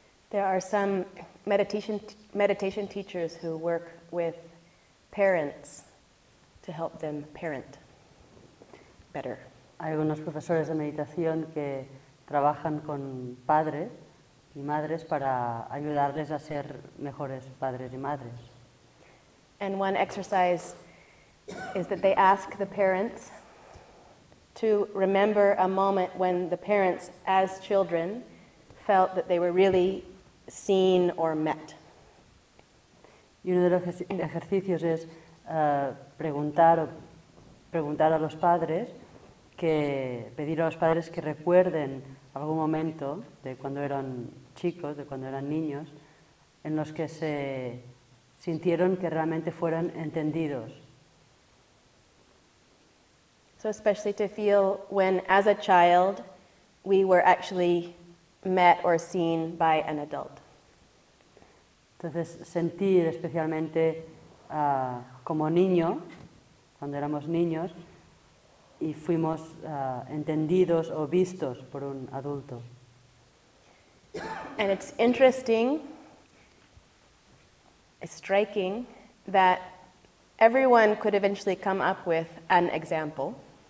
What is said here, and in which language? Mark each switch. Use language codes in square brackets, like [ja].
[en] There are some meditation teachers who work with parents to help them parent better. [es] Hay algunos profesores de meditación que trabajan con padres y madres para ayudarles a ser mejores padres y madres. [en] And one exercise is that they ask the parents to remember a moment when the parents, as children, felt that they were really seen or met. [es] Y uno de los ejercicios es preguntar a los padres, que pedir a los padres que recuerden algún momento de cuando eran chicos, de cuando eran niños, en los que se sintieron que realmente fueron entendidos. [en] So especially to feel when, as a child, we were actually met or seen by an adult. [es] Entonces, sentir especialmente como niño, cuando éramos niños, y fuimos entendidos o vistos por un adulto. [en] And it's interesting, it's striking, that everyone could eventually come up with an example.